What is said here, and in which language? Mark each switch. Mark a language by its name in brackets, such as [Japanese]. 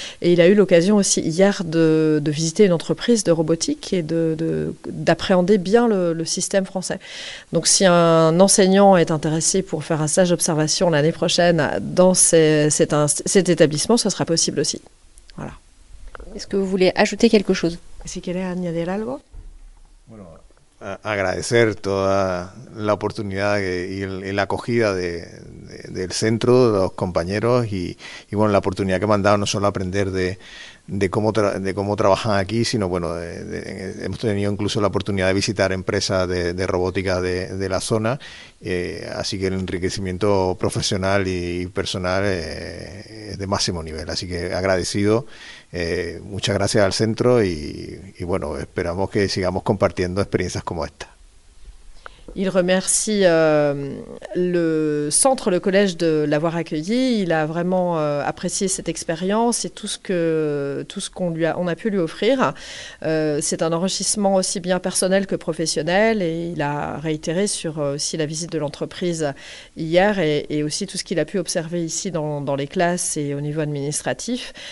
[French] Et il a eu l'occasion aussi hier de visiter une entreprise de robotique et d'appréhender bien le système français. Donc si un enseignant est intéressé pour faire un stage d'observation l'année prochaine dans cet établissement, ce sera possible aussi. Voilà. Est-ce que vous voulez ajouter quelque chose ? [Spanish] Si quieres añadir algo. Bueno, agradecer toda la oportunidad y la acogida del centro, de los compañeros y bueno, la oportunidad que me han dado no solo aprender de cómo trabajan aquí, sino bueno, hemos tenido incluso la oportunidad de visitar empresas de robótica de la zona, así que el enriquecimiento profesional y personal es de máximo nivel, así que agradecido, muchas gracias al centro y bueno, esperamos que sigamos compartiendo experiencias como esta. [French] Il remercie le centre, le collège de l'avoir accueilli. Il a vraiment apprécié cette expérience et tout ce qu'on a pu lui offrir. C'est un enrichissement aussi bien personnel que professionnel. Et il a réitéré sur aussi la visite de l'entreprise hier et aussi tout ce qu'il a pu observer ici dans les classes et au niveau administratif.